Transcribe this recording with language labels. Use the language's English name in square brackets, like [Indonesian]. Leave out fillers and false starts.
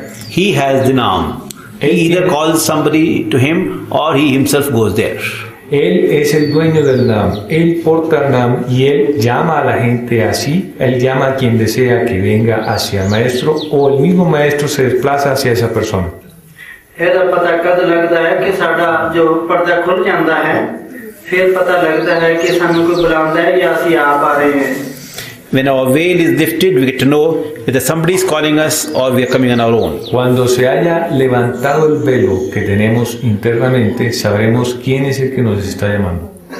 [English] He has the name. He either calls somebody to him or he himself goes there. [Spanish] Él es el dueño del Nam. Él porta el Nam y él llama a la gente así. Él llama a quien desea que venga hacia el maestro o el mismo maestro se desplaza hacia esa persona. [English] When our veil is lifted, we get to know whether somebody is calling us or we are coming on our own. [Spanish] Cuando se haya levantado el velo que tenemos internamente, sabremos quién es el que nos está llamando.